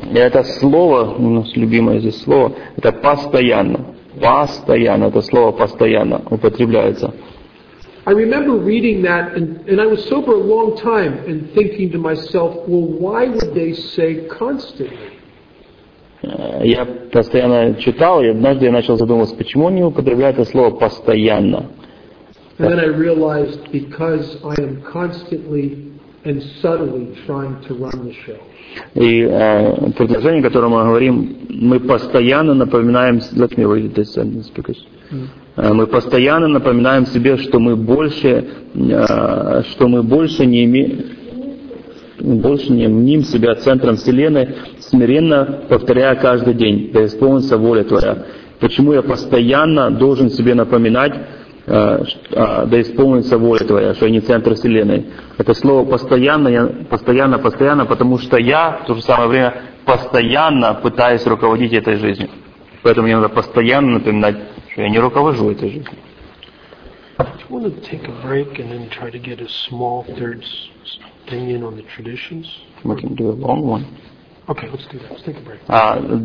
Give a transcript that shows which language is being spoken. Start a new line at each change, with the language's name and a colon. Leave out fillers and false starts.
Russian: И это слово, у нас любимое здесь слово, это постоянно. Постоянно, это слово постоянно употребляется.
English: I remember reading that, and I was sober a long time, and thinking to myself, well, why would they say constantly?
Russian: Я постоянно читал, и однажды я начал задумываться, почему они употребляют это слово «постоянно».
English: And then I realized, because I am constantly and subtly trying to run the show.
Russian: И предложение, о котором мы говорим, мы постоянно напоминаем...
English: Let me read this sentence, because...
Russian: Мы постоянно напоминаем себе, что мы больше не мним себя центром Вселенной, смиренно повторяя каждый день, да исполнится воля Твоя. Почему я постоянно должен себе напоминать, да исполнится воля Твоя, что я не центр Вселенной? Это слово «постоянно», «постоянно», потому что я в то же самое время постоянно пытаюсь руководить этой жизнью. Поэтому мне надо постоянно напоминать, я не руковожу этой жизнью.
English: Do you want to take a break and then try to get a small third thing in on the traditions? We can do a long one. Okay, let's do that. Let's take a break.